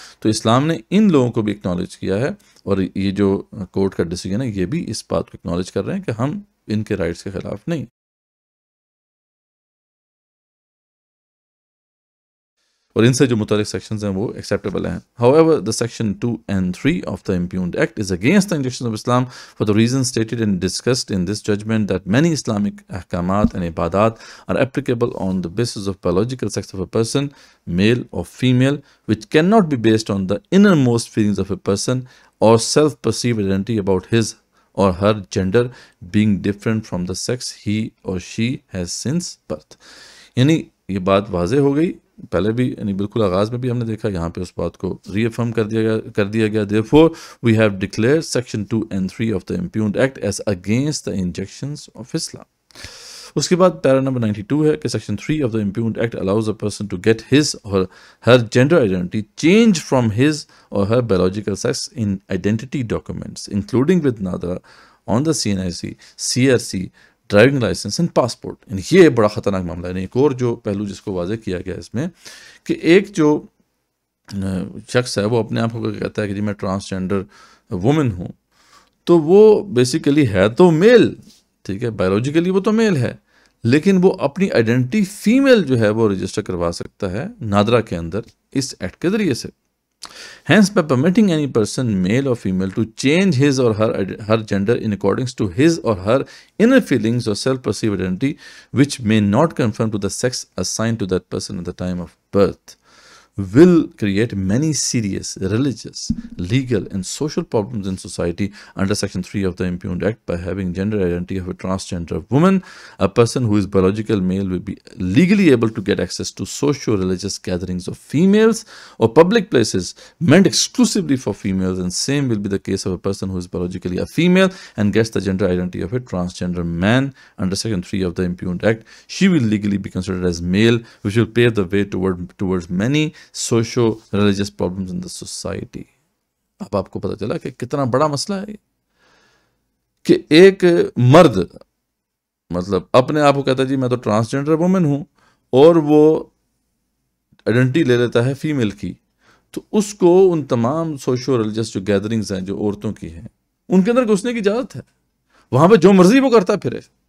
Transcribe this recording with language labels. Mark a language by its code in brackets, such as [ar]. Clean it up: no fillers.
[ur] تو اسلام نے ان لوگوں کو بھی اکنالج کیا ہے, اور یہ جو کورٹ کا ڈیسیجن ہے یہ بھی اس بات کو اکنالج کر رہے ہیں کہ ہم ان کے رائٹس کے خلاف نہیں. اور ان سے جو متعلق سیکشنز ہیں وہ ایکسیپٹیبل ہیں. [en] However, the section 2 and 3 of the impugned act is against the injunction of Islam for the reasons stated and discussed in this judgment that many Islamic احکامات and عبادات are applicable on the basis of biological sex of a person, male or female, which cannot be based on the innermost feelings of a person or self-perceived identity about his or her gender being different from the sex he or she has since birth. [ur] یعنی یہ بات واضح ہو گئی پہلے بھی, یعنی بالکل آغاز میں بھی ہم نے دیکھا, یہاں پہ اس بات کو ری افرم کر دیا گیا. [en] Therefore, we have declared section 2 and 3 of the impugned act as against the injunctions of Islam. [ur] اس کے بعد پیرا نمبر 92 ہے کہ section 3 [en] of the impugned act allows a person to get his or her gender identity changed from his or her biological sex in identity documents, including with NADRA on the CNIC, CRC, driving licence and passport. [ur] یعنی یہ بڑا خطرناک معاملہ ہے. ایک اور جو پہلو جس کو واضح کیا گیا اس میں کہ ایک جو شخص ہے وہ اپنے آپ کو کہتا ہے کہ جی میں ٹرانسجینڈر وومن ہوں, تو وہ بیسیکلی ہے تو میل, ٹھیک ہے, بایولوجیکلی وہ تو میل ہے, لیکن وہ اپنی آئیڈینٹی فیمیل جو ہے وہ رجسٹر کروا سکتا ہے نادرا کے اندر اس ایکٹ کے ذریعے سے. [en] Hence, by permitting any person, male or female, to change his or her gender in accordance to his or her inner feelings or self-perceived identity, which may not conform to the sex assigned to that person at the time of birth, will create many serious religious, legal, and social problems in society under Section 3 of the Impugned Act. By having gender identity of a transgender woman, a person who is biological male will be legally able to get access to socio-religious gatherings of females or public places meant exclusively for females, and same will be the case of a person who is biologically a female and gets the gender identity of a transgender man under Section 3 of the Impugned Act. She will legally be considered as male, which will pave the way towards many socio religious problems in the society. [ur] اب آپ کو پتا چلا کہ کتنا بڑا مسئلہ ہے کہ ایک مرد مطلب اپنے آپ کو کہتا ہے جی میں تو ٹرانسجینڈر وومن ہوں, اور وہ آئیڈینٹی لے لیتا ہے فیمیل کی, تو اس کو ان تمام سوشو ریلیجیس جو گیدرنگز ہیں جو عورتوں کی ہیں ان کے اندر گھسنے کی اجازت ہے, وہاں پہ جو مرضی وہ کرتا پھرے.